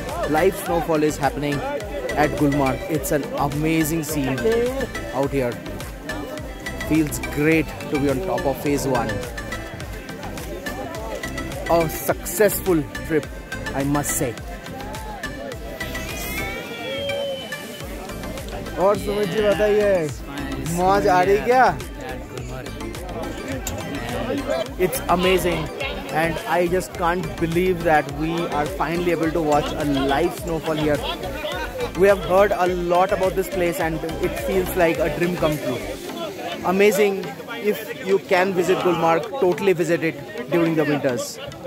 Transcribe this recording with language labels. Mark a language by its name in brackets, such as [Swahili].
[English] Live snowfall is happening at Gulmarg. It's an amazing scene out here. Feels great to be on top of phase one. A successful trip, I must say. [Hindi] और सुमित जी बताइए, मौज आ रही क्या? [English] It's amazing. And I just can't believe that we are finally able to watch a live snowfall here. We have heard a lot about this place and it feels like a dream come true. Amazing. If you can visit Gulmarg, totally visit it during the winters.